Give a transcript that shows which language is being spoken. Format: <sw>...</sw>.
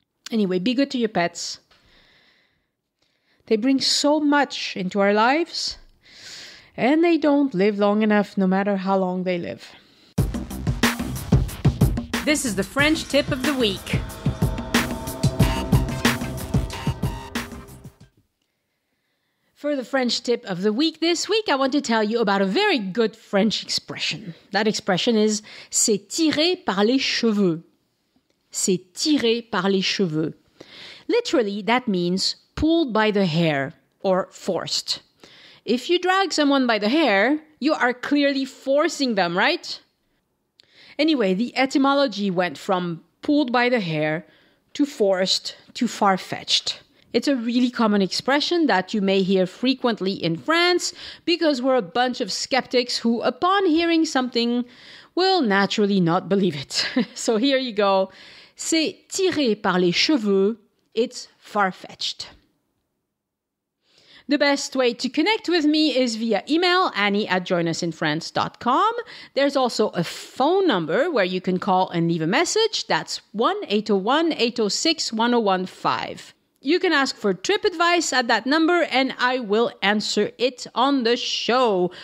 <en>Anyway, be good to your pets. They bring so much into our lives, and they don't live long enough, no matter how long they live. This is the French tip of the week. For the French tip of the week this week, I want to tell you about a very good French expression. That expression is</en> <fr>c'est tiré par les cheveux. C'est tiré par les cheveux.</fr> <en>Literally, that means pulled by the hair or forced. If you drag someone by the hair, you are clearly forcing them, right? Anyway, the etymology went from pulled by the hair to forced to far-fetched. It's a really common expression that you may hear frequently in France because we're a bunch of skeptics who, upon hearing something, will naturally not believe it. So here you go.</en> <fr>C'est tiré par les cheveux.</fr> <en>It's far-fetched. The best way to connect with me is via email, annie@joinusinfrance.com. There's also a phone number where you can call and leave a message. That's 1-801-806-1015. You can ask for trip advice at that number and I will answer it on the show.</en>